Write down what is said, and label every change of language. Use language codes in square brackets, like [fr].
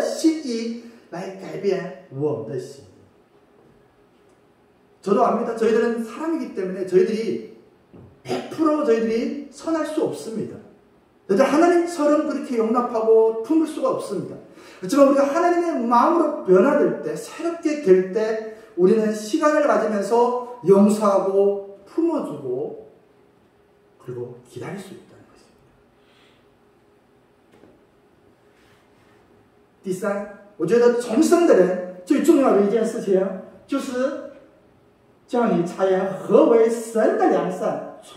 [zh] 我们作为人，我知道我们不可能完全像我们的神一样去爱对方、去包容对方、去饶恕对方。但是我们要改变。我知道需要时间，一点一点的，我们用神的心意来改变我们的心。 [ko] 저도 압니다. 저희들은 사람이기 때문에 저희들이 100% 저희들이 선할 수 없습니다. 저희들 하나님처럼 그렇게 용납하고 품을 수가 없습니다. 그렇지만 우리가 하나님의 마음으로 변화될 때, 새롭게 될 때 우리는 시간을 가지면서 용서하고 품어주고 그리고 기다릴 수 있다는 것입니다. [zh] 第三，我觉得重生的人最重要的一件事情，就是叫你察言何为神的良善。